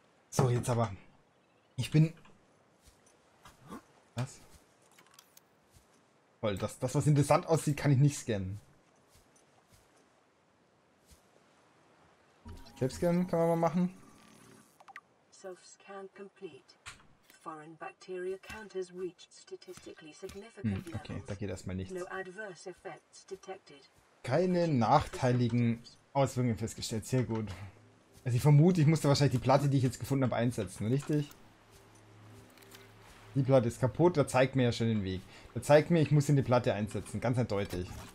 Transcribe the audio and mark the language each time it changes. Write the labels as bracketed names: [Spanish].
[German] So, jetzt aber. Ich bin... Was? Toll, das was interessant aussieht, kann ich nicht scannen. Selbstscannen kann man mal machen. [English] Self-scan complete. Foreign bacteria counters reached statistically significant levels. [German] Okay, da geht erstmal nichts. [English] No adverse effects detected. [German] Keine nachteiligen Auswirkungen festgestellt. Sehr gut. Also ich vermute, ich musste wahrscheinlich die Platte, die ich jetzt gefunden habe, einsetzen, richtig? Die Platte ist kaputt, da zeigt mir ja schon den Weg. Da zeigt mir, ich muss in die Platte einsetzen, ganz eindeutig.